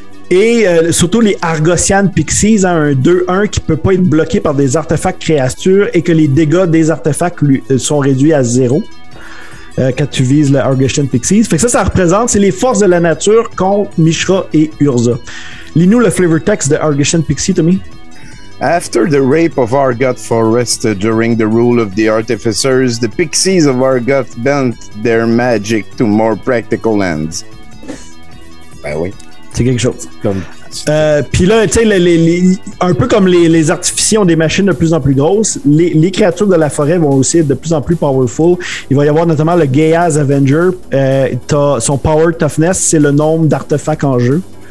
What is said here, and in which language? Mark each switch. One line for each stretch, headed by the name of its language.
French: Et surtout les Argossian Pixies, hein, un 2-1 qui peut pas être bloqué par des artefacts créatures et que les dégâts des artefacts sont réduits à zéro quand tu vises le Argossian Pixies. Fait que ça représente, c'est les forces de la nature contre Mishra et Urza. Lis-nous le flavor text de Argossian Pixie, Tommy.
English: After the rape of Argot Forest during the rule of the Artificers, the Pixies of Argot bent their magic to more practical ends.
French: Ben oui. C'est quelque chose. Puis là, tu sais, un peu comme les artificiers ont des machines de plus en plus grosses, les créatures de la forêt vont aussi être de plus en plus powerful. Il va y avoir notamment le Gaia's Avenger. Son Power Toughness, c'est le nombre d'artefacts en jeu.